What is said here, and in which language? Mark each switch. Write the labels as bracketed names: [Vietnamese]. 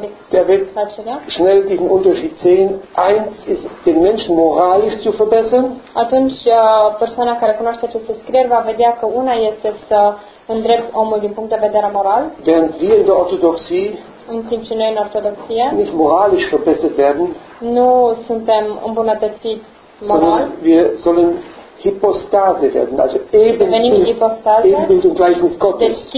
[German] der wird schnell diesen Unterschied sehen. Eins ist, den Menschen moralisch zu verbessern. [Romanian] Atunci, persoana care cunoaște aceste scrieri va vedea că una este să îndrepți omul din punct de vedere moral. [German] Während wir in der Orthodoxie, [Romanian] în timp ce noi în Ortodoxie, [German] nicht moralisch verbessert werden, [Romanian] nu suntem îmbunătățiți moral, [German] sondern wir sollen Hypostase werden, also Ebenbild und Gleichnis Gottes.